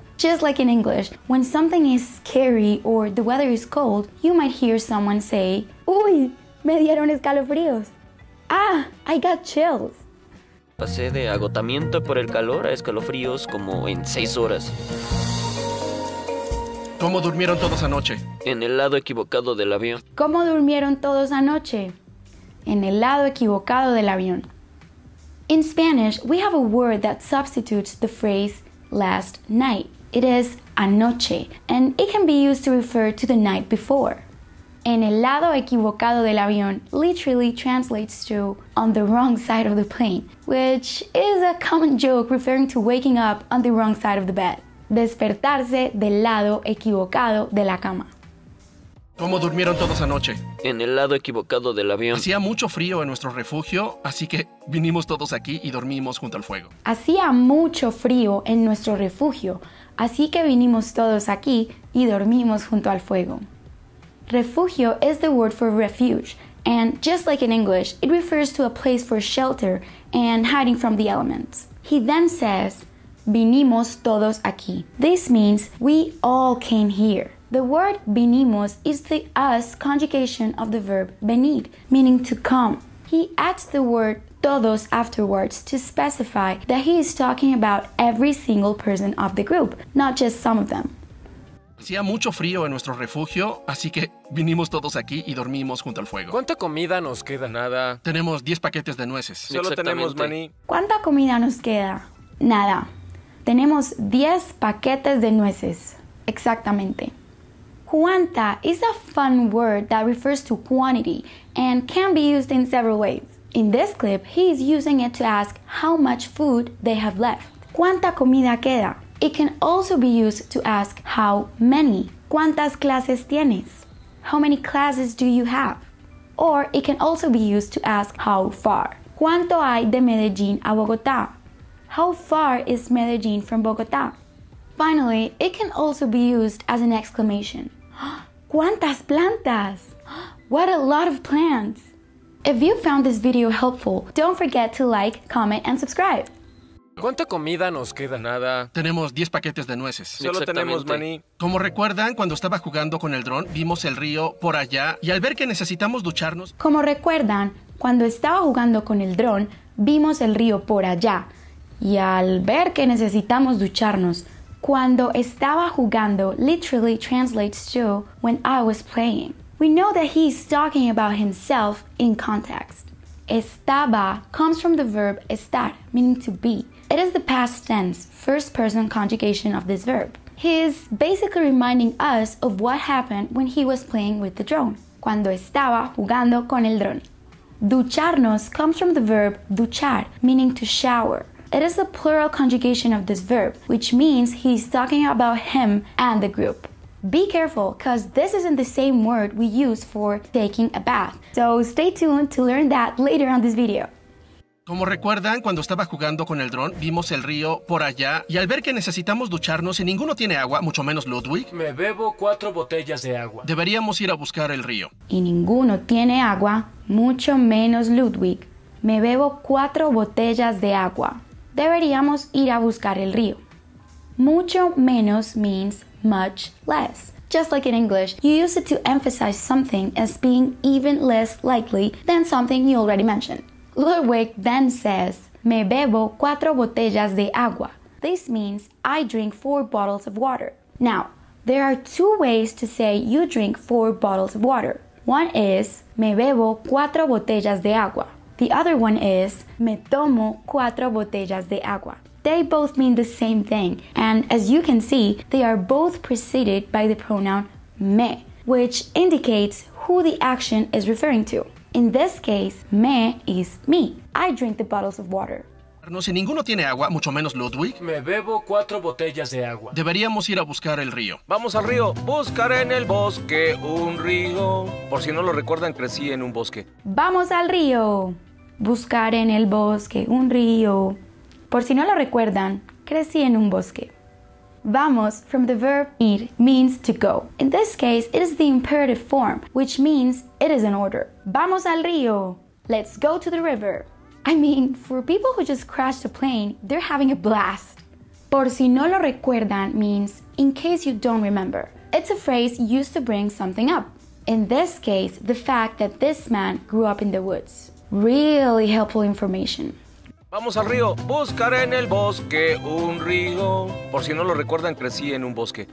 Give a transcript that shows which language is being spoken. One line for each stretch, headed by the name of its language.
English: Just like in English, when something is scary or the weather is cold, you might hear someone say,
Spanish: "Uy, me dieron escalofríos."
English: Ah, I got chills.
Spanish: Pasé de agotamiento por el calor a escalofríos como en 6 horas. ¿Cómo durmieron todos anoche? En el lado equivocado del avión. ¿Cómo durmieron todos anoche? En el lado equivocado del avión.
English: In Spanish, we have a word that substitutes the phrase last night. It is anoche, and it can be used to refer to the night before.
Spanish: En el lado equivocado del avión
English: literally translates to on the wrong side of the plane, which is a common joke referring to waking up on the wrong side of the bed.
Spanish: Despertarse del lado equivocado de la cama. ¿Cómo durmieron todos anoche? En el lado equivocado del avión. Hacía mucho frío en nuestro refugio, así que vinimos todos aquí y dormimos junto al fuego. Hacía mucho frío en nuestro refugio, así que vinimos todos aquí y dormimos junto al fuego.
English: Refugio is the word for refuge, and just like in English, it refers to a place for shelter and hiding from the elements. He then says,
Spanish: vinimos todos aquí.
English: This means we all came here. The word vinimos is the us conjugation of the verb venir, meaning to come. He adds the word todos afterwards to specify that he is talking about every single person of the group, not just some of them.
Spanish: Hacía mucho frío en nuestro refugio, así que vinimos todos aquí y dormimos junto al fuego. ¿Cuánta comida nos queda? Nada. Tenemos 10 paquetes de nueces. Solo tenemos maní. ¿Cuánta comida nos queda? Nada. Tenemos 10 paquetes de nueces. Exactamente.
English: Cuánta is a fun word that refers to quantity and can be used in several ways. In this clip, he is using it to ask how much food they have left.
Spanish: ¿Cuánta comida queda?
English: It can also be used to ask how many.
Spanish: ¿Cuántas clases tienes?
English: How many classes do you have? Or it can also be used to ask how far.
Spanish: ¿Cuánto hay de Medellín a Bogotá?
English: How far is Medellín from Bogotá? Finally, it can also be used as an exclamation.
Spanish: ¿Cuántas plantas?
English: What a lot of plants! If you found this video helpful, don't forget to like, comment, and subscribe.
Spanish: ¿Cuánta comida nos queda? Nada. Tenemos 10 paquetes de nueces. Solo tenemos maní. Como recuerdan, cuando estaba jugando con el dron, vimos el río por allá y al ver que necesitamos ducharnos... Como recuerdan, cuando estaba jugando con el dron, vimos el río por allá y al ver que necesitamos ducharnos... Cuando estaba jugando
English: literally translates to when I was playing. We know that he's talking about himself in context. Estaba comes from the verb estar, meaning to be. It is the past tense, first person conjugation of this verb. He's basically reminding us of what happened when he was playing with the drone.
Spanish: Cuando estaba jugando con el drone.
English: Ducharnos comes from the verb duchar, meaning to shower. It is the plural conjugation of this verb, which means he's talking about him and the group. Be careful, because this isn't the same word we use for taking a bath. So stay tuned to learn that later on this video.
Spanish: Como recuerdan, cuando estaba jugando con el dron, vimos el río por allá, y al ver que necesitamos ducharnos y ninguno tiene agua, mucho menos Ludwig, me bebo 4 botellas de agua. Deberíamos ir a buscar el río. Y ninguno tiene agua, mucho menos Ludwig, me bebo 4 botellas de agua. Deberíamos ir a buscar el río. Mucho menos
English: means much less. Just like in English, you use it to emphasize something as being even less likely than something you already mentioned. Ludwig then says,
Spanish: me bebo 4 botellas de agua.
English: This means I drink 4 bottles of water. Now, there are 2 ways to say you drink 4 bottles of water. One is,
Spanish: me bebo 4 botellas de agua.
English: The other one is,
Spanish: me tomo 4 botellas de agua.
English: They both mean the same thing, and as you can see, they are both preceded by the pronoun me, which indicates who the action is referring to. In this case, me is me. I drink the bottles of water.
Spanish: No sé, ninguno tiene agua, mucho menos Ludwig. Me bebo 4 botellas de agua. Deberíamos ir a buscar el río. Vamos al río, buscar en el bosque un río. Por si no lo recuerdan, crecí en un bosque. Vamos al río, buscar en el bosque un río. Por si no lo recuerdan, crecí en un bosque.
English: Vamos, from the verb ir, means to go. In this case, it is the imperative form, which means it is an order.
Spanish: Vamos al río,
English: let's go to the river. I mean, for people who just crashed a plane, they're having a blast.
Spanish: Por si no lo recuerdan
English: means, in case you don't remember. It's a phrase used to bring something up. In this case, the fact that this man grew up in the woods. Really helpful information.
Spanish: Vamos al río, buscar en el bosque un río. Por si no lo recuerdan, crecí en un bosque.